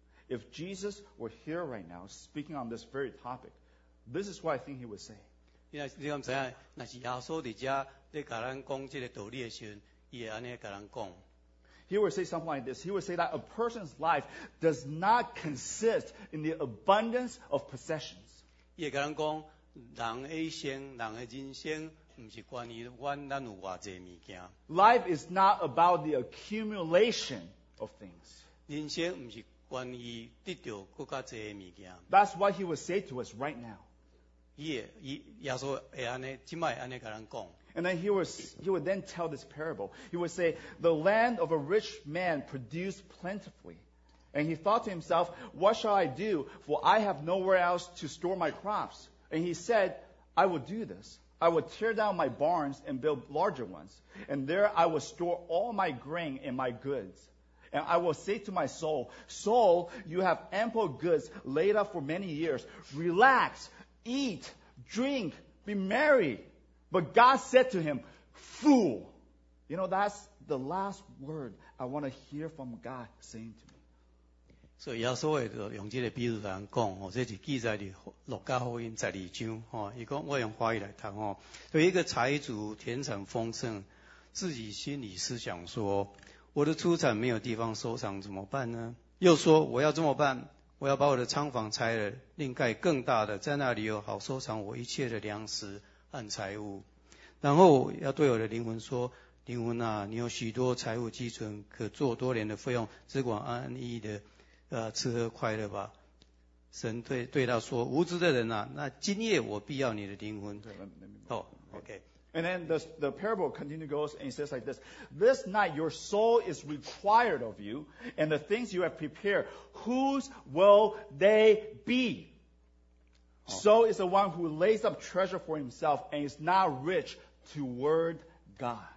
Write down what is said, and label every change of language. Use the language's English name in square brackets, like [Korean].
[English] If Jesus were here right now, speaking on this very topic, this is what I think he would say. [Chinese] 你知道嗎?若是耶穌在這裡跟我們說這個道理的時候,他會這樣跟我們說。 [English] He would say something like this. He would say that a person's life does not consist in the abundance of possessions. [Chinese] 他會跟我們說,人的一生,人的人生, [English] Life is not about the accumulation of things. That's what he would say to us right now. And then he would then tell this parable. He would say, the land of a rich man produced plentifully. And he thought to himself, what shall I do? For I have nowhere else to store my crops. And he said, I will do this. I will tear down my barns and build larger ones. And there I will store all my grain and my goods. And I will say to my soul, soul, you have ample goods laid up for many years. Relax, eat, drink, be merry. But God said to him, fool. You know, that's the last word I want to hear from God saying to me. So, [Chinese] 耶稣的用这个比喻来讲，这是记载在《路加福音》12章，他说，用华语来谈，有一个财主田产丰盛，自己心里思想说，我的出产没有地方收藏，怎么办呢？又说，我要怎么办？我要把我的仓房拆了，另盖更大的，在那里有好收藏我一切的粮食和财物。然后要对我的灵魂说， 灵魂啊，你有许多财物积存，可做多年的费用，只管安逸的吃喝快乐吧。神对他说：“无知的人啊，那今夜我必要你的灵魂。”哦，OK。 [English] And then the parable continues goes and says like this: This night your soul is required of you, and the things you have prepared, whose will they be? So is the one who lays up treasure for himself and is not rich toward God.